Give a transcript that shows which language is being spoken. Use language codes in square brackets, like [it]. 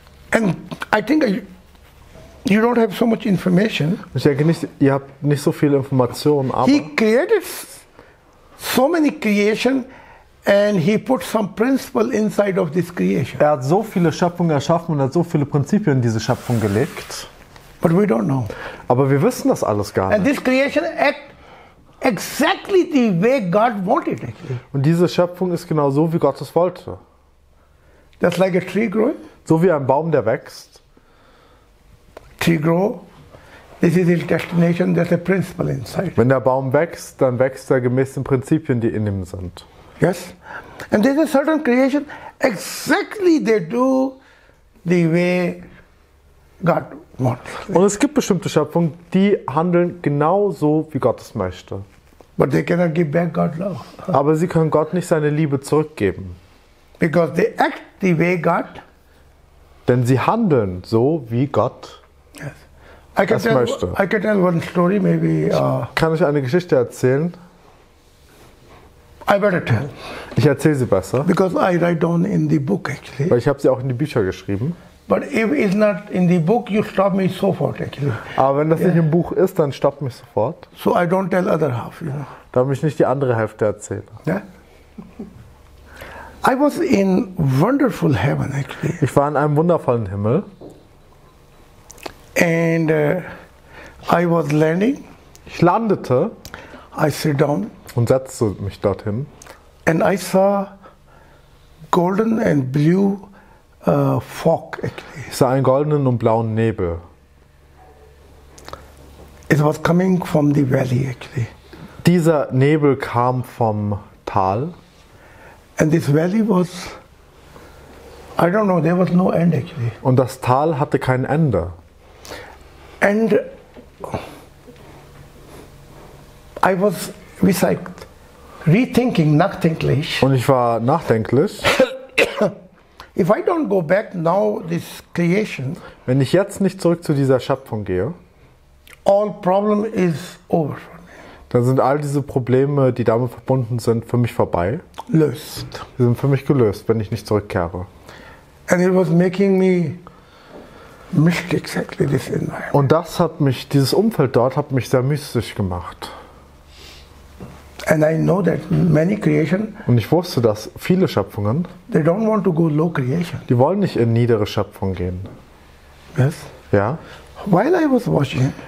[en] And I think you don't have so much information. [de] Ich denke nicht, ihr habt nicht so viel Informationen, aber [en] he created so many creation and he put some principle inside of this creation. [de] Er hat so viele Schöpfungen erschaffen und hat so viele Prinzipien in diese Schöpfung gelegt. [en] But we don't know. [de] Aber wir wissen das alles gar nicht. [en] And this creation act exactly the way God wanted it. [de] Und diese Schöpfung ist genau so, wie Gott es wollte. [en] That's like a tree growing. [de] So wie ein Baum, der wächst. [en] Tree grow. This is his destination. There's a principle inside. [de] Wenn der Baum wächst, dann wächst er gemäß den Prinzipien, die in ihm sind. [en] Yes. And there's a certain creation. Exactly they do the way God wants. [de] Und es gibt bestimmte Schöpfungen, die handeln genau so, wie Gott es möchte. [en] But they cannot give back God's love. [de] Aber sie können Gott nicht seine Liebe zurückgeben. [en] Because they act the way God. [de] Denn sie handeln so, wie Gott. [en] Yes. I can tell one story, maybe. [de] Kann ich eine Geschichte erzählen? [en] I better tell. [de] Ich erzähle sie besser. [en] Because I write down in the book actually. [de] Weil ich habe sie auch in die Bücher geschrieben. [en] But if it's not in the book, you stop me sofort actually. [de] Aber wenn das nicht im Buch ist, dann stoppt mich sofort. [en] So I don't tell other half, you know. [de] Damit ich nicht die andere Hälfte erzähle. [en] Yeah. I was in wonderful heaven actually. [de] Ich war in einem wundervollen Himmel. [en] And I was landing. [de] Ich landete. [en] I sit down. [de] Und setzte mich dorthin. [en] And I saw golden and blue fog. Actually. [de] Ich sah einen goldenen und blauen Nebel. [en] It was coming from the valley, actually. [de] Dieser Nebel kam vom Tal. [en] And this valley was, I don't know, there was no end, actually. [de] Und das Tal hatte kein Ende. [en] And I was beside rethinking, nachdenklich. [de] Und ich war nachdenklich. [en] If I don't go back now, this creation. [de] Wenn ich jetzt nicht zurück zu dieser Schöpfung gehe. [en] All problem is over. [de] Dann sind all diese Probleme, die damit verbunden sind, für mich vorbei. Löst. Sie sind für mich gelöst, wenn ich nicht zurückkehre. [en] And it was making me mystic, exactly this environment. [de] Und das hat mich, dieses Umfeld dort hat mich sehr mystisch gemacht. [en] And I know that many creation, [de] und ich wusste, dass viele Schöpfungen, [en] they don't want to go low creation. [de] Die wollen nicht in niedere Schöpfung gehen. [en] Yes? [de] Ja. [en] While I was watching,